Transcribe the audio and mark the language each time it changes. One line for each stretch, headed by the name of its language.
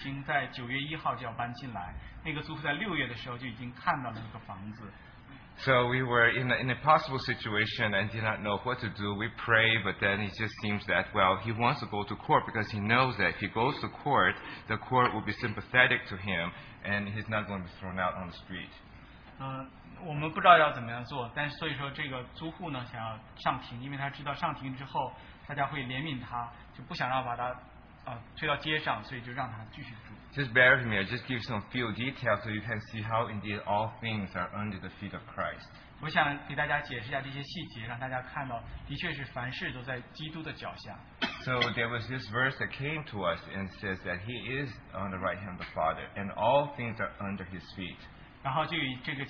Chinese: 我们其实已经有一个新的租户已经在9月1号就要搬进来, 那个租户在6月的时候就已经看到了那个房子。
English: So we were in a possible situation and did not know what to do. We pray, but then it just seems that, well, he wants to go to court because he knows that if he goes to court, the court will be sympathetic to him and he's not going to be thrown out on the street.
Chinese: 我们不知道要怎么样做，但是所以说这个租户呢想要上庭，因为他知道上庭之后大家会怜悯他，就不想让把他推到街上，所以就让他继续住。
English: Just bear with me, I'll just give some few details so you can see how indeed all things are under the feet of Christ. So there was this verse that came to us and says that he is on the right hand of the Father and all things are under his feet.